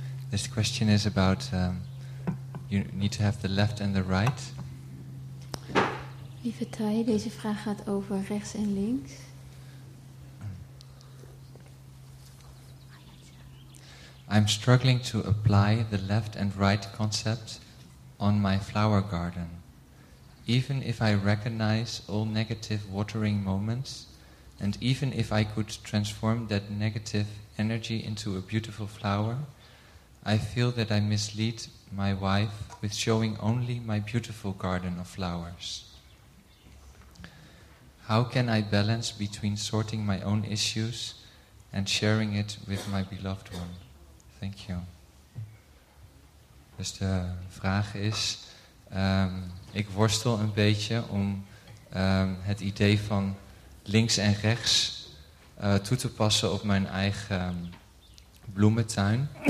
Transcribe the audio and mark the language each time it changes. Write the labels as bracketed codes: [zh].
[en] This question is about you need to have the left and the right. [nl] Lieve Thay, deze vraag gaat over rechts en links. [en] I'm struggling to apply the left and right concept on my flower garden. Even if I recognize all negative watering moments, and even if I could transform that negative energy into a beautiful flower, I feel that I mislead my wife with showing only my beautiful garden of flowers. How can I balance between sorting my own issues and sharing it with my beloved one? Thank you. [nl] Dus de vraag is, ik worstel een beetje om het idee van links en rechts toe te passen op mijn eigen bloementuin.